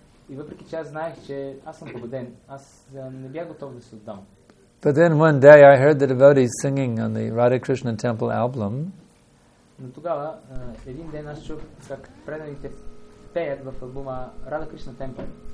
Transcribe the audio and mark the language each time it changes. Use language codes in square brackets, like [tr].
[bg] И въпреки че аз знаех, че аз съм победен, аз не бях готов да се отдам. [en] But then one day I heard the devotees singing on the Radha Krishna Temple album. [bg] Но тогава, един ден аз чух как преданите пеят в албума Radha Krishna Temple.